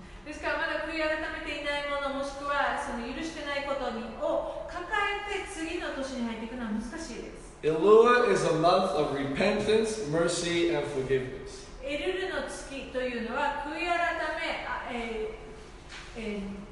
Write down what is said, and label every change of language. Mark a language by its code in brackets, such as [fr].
[ja] ですからまだ悔い改めていないもの、もしくはその許してないことにを抱えて次の年に入っていくのは難しいです。 [en] Elul is a month of repentance, mercy, and forgiveness. [ja] エルルの月というのは悔い改め、